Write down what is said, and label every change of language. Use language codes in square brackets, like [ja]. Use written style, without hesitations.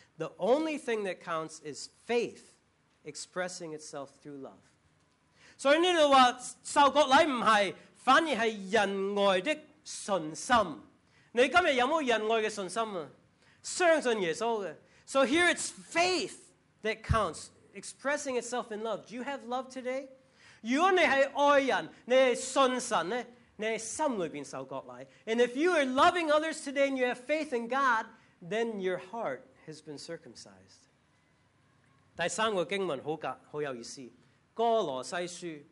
[en] The only thing that counts is faith expressing itself through love. [zh] 所以这里说受割礼不是，反而是仁爱的信心。你今天有没有仁爱的信心啊？相信耶稣的。 [en] So here it's faith that counts, expressing itself in love. Do you have love today? [zh] 如果你是爱人，你是信神呢？你心里边受割礼, [en] and if you are loving others today and you have faith in God, then your heart has been circumcised. [zh] 第三个经文好有意思，哥罗西书,